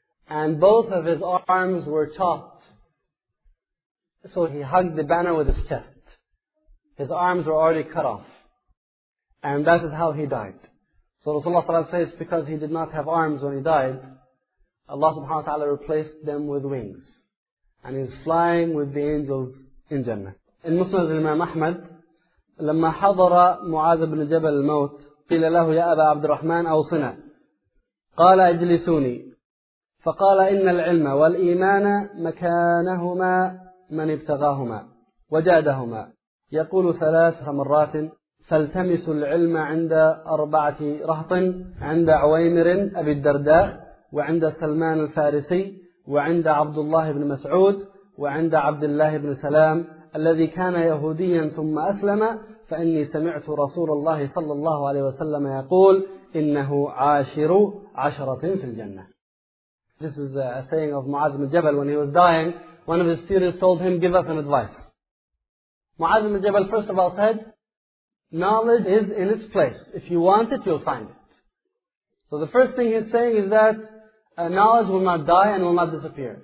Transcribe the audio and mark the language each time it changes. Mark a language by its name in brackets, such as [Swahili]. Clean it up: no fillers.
[English] And both of his arms were chopped. So he hugged the banner with his chest. His arms were already cut off. And that is how he died. So Rasulullah says, because he did not have arms when he died, Allah subhanahu wa ta'ala replaced them with wings. And he's flying with the angels in Jannah. [Arabic] In Musnad Imam Ahmad, لما حضر معاذ بن جبل الموت قيل له يا أبا عبد الرحمن أوصنا قال اجلسوني فقال إن العلم والإيمان مكانهما من ابتغاهما وجادهما يقول ثلاث مرات فالتمسوا العلم عند أربعة رهط عند عويمر أبي الدرداء وعند سلمان الفارسي وعند عبد الله بن مسعود وعند عبد الله بن سلام الذي كان يهوديا ثم أسلم فإني سمعت رسول الله صلى الله عليه وسلم يقول إنه عاشر عشرة في الجنة. [English] This is a saying of Mu'adh ibn Jabal. When he was dying, one of his students told him, give us an advice. Mu'adh ibn Jabal first of all said, knowledge is in its place. If you want it, you'll find it. So the first thing he's saying is that knowledge will not die and will not disappear.